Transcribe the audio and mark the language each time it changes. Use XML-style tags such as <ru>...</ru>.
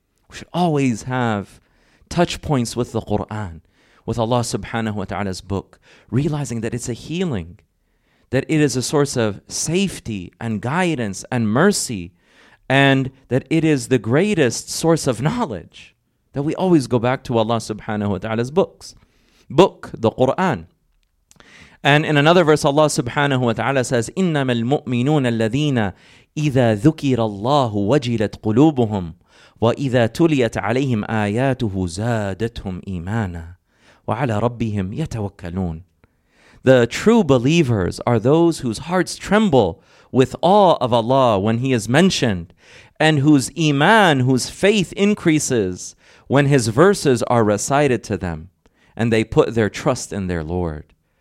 <en>We should always have touch points with the Quran, with Allah subhanahu wa ta'ala's book, realizing that it's a healing, that it is a source of safety and guidance and mercy, and that it is the greatest source of knowledge, that we always go back to Allah subhanahu wa ta'ala's book, the Quran. And in another verse, Allah subhanahu wa ta'ala says,</en> <ar>إِنَّمَا الْمُؤْمِنُونَ الَّذِينَ إِذَا ذُكِرَ اللَّهُ وَجِلَتْ قُلُوبُهُمْ وَإِذَا تُلِيَتْ عَلَيْهِمْ آيَاتُهُ زَادَتْهُمْ إِيمَانًا وَعَلَى رَبِّهِمْ يَتَوَكَّلُونَ.</ar> <en>The true believers are those whose hearts tremble with awe of Allah when He is mentioned, and whose iman, whose faith increases when His verses are recited to them, and they put their trust in their Lord.</en>